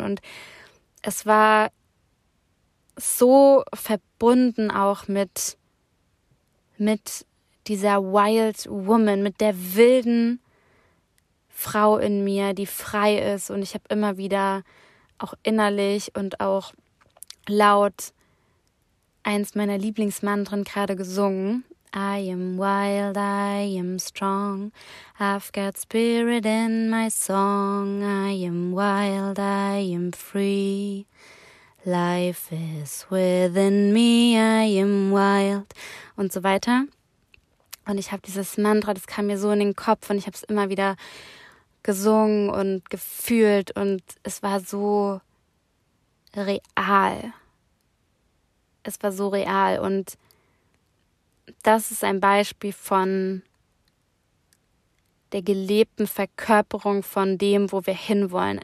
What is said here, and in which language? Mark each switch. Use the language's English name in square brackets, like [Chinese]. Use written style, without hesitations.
[German] Und es war so verbunden auch mit dieser Wild Woman, mit der wilden Frau in mir, die frei ist. Und ich habe immer wieder auch innerlich und auch laut eins meiner Lieblingsmantren gerade gesungen. [English] I am wild, I am strong, I've got spirit in my song. I am wild, I am free, life is within me, I am wild. [German] Und so weiter. Und ich habe dieses Mantra, das kam mir so in den Kopf und ich habe es immer wieder gesungen und gefühlt und es war so real. Es war so real und das ist ein Beispiel von der gelebten Verkörperung von dem, wo wir hinwollen.